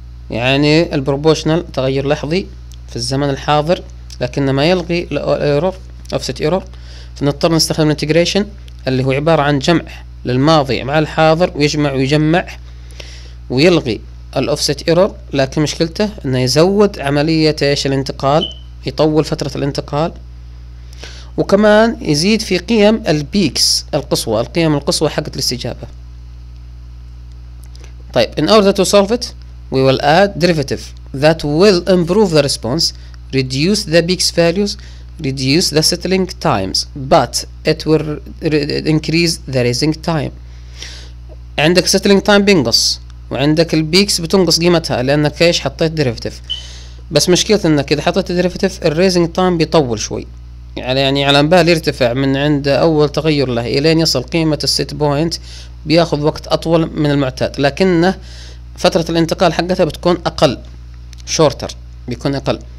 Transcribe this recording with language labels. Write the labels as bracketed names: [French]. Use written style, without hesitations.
[Arabic] يعني البروبوشنال تغير لحظي في الزمن الحاضر لكن ما يلغي الايرور اوفست ايرور، فنضطر نستخدم الانتجريشن اللي هو عبارة عن جمع للماضي مع الحاضر ويجمع ويجمع ويلغي الاوفست ايرور، لكن مشكلته انه يزود عملية ايش الانتقال، يطول فترة الانتقال، وكمان يزيد في قيم البيكس القصوى، القيم القصوى حقت الاستجابة. [English] طيب in order to solve it we will add derivative that will improve the response, reduce the peaks values, reduce the settling times, but it will increase the rising time. [Arabic] عندك settling time بينقص وعندك البيكس بتنقص قيمتها لانك ايش حطيت derivative، بس مشكلة انك اذا حطيت derivative الريزنج تايم بيطول شوي، يعني على بال يرتفع من عند اول تغير له الين يصل قيمة السيت بوينت بياخذ وقت اطول من المعتاد، لكنه فترة الانتقال حقتها بتكون أقل، شورتر بيكون أقل.